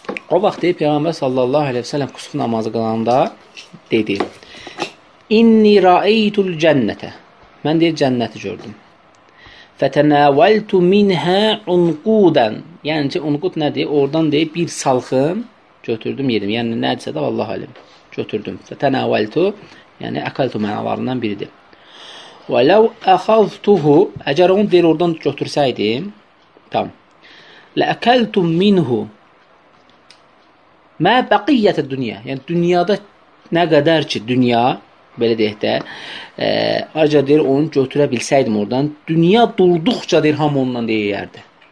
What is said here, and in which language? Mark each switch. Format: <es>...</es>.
<az>O vaxt deyib Peyğəmbər sallallahu aleyhi ve sellem kusuf namazı qılanda dedi.</az> <ar>İnni ra'eytul cennete.</ar> <az>Mən deyir cənnəti gördüm.</az> <ar>Fətənəvəltu minhə unqudan.</ar> <az>Yəni ki, unqud nədir? Oradan deyib bir salxım götürdüm, yedim. Yəni nədirsə də vallahi alim. Götürdüm. Fətənəvəltu, yəni əkaltu mənalarından biridir.</az> <ar>وَلَوْ أَخَذْتُهُ</ar> <az>Əgər onu deyir oradan götürsəydim, tam,</az> <ar>لَأَكَلْتُمْ مِنْهُ مَا بَقِيَّةَ الدُّنْيَا</ar> <az>Yəni, dünyada nə qədər ki, dünya, belə deyək də, acə deyir, onu götürə bilsəydim oradan, dünya durduqca deyir, hamı ondan deyərdi.</az>